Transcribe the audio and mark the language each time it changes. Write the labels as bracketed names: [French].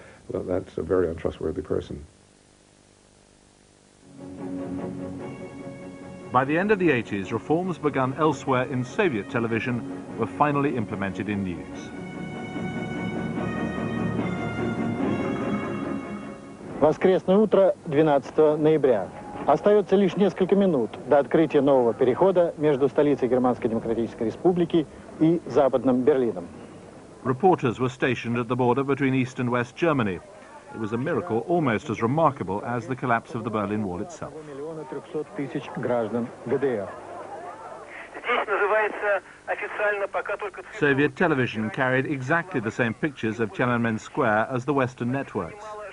[English] So that's a very untrustworthy person. By the end of the 80s, reforms begun elsewhere in Soviet television were finally implemented in news. [Russian] Воскресное утро 12 ноября. Остается лишь несколько минут до открытия нового перехода между столицей Германской Демократической Республики и Западным Берлином. [English] Reporters were stationed at the border between East and West Germany. It was a miracle almost as remarkable as the collapse of the Berlin Wall itself. [Russian] 1,300,000 граждан ГДР. [English] Soviet television carried exactly the same pictures of Tiananmen Square as the Western networks.